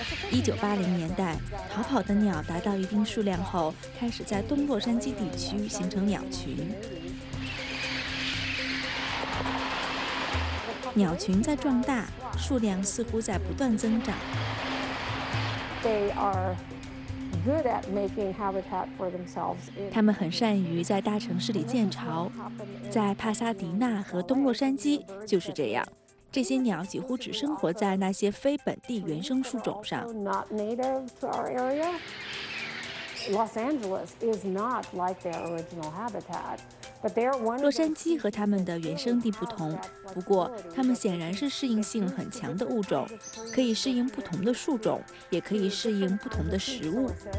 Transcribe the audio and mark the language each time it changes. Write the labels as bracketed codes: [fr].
[zh] 1980年代，逃跑的鸟达到一定数量后，开始在东洛杉矶地区形成鸟群。鸟群在壮大，数量似乎在不断增长。 [en] They are good at making habitat for themselves. [zh] 他们很善于在大城市里建巢，在帕萨迪纳和东洛杉矶就是这样。这些鸟几乎只生活在那些非本地原生树种上。 [en] Not native to our area. Los Angeles is not like their original habitat. [zh] 洛杉矶和它们的原生地不同，不过它们显然是适应性很强的物种，可以适应不同的树种，也可以适应不同的食物。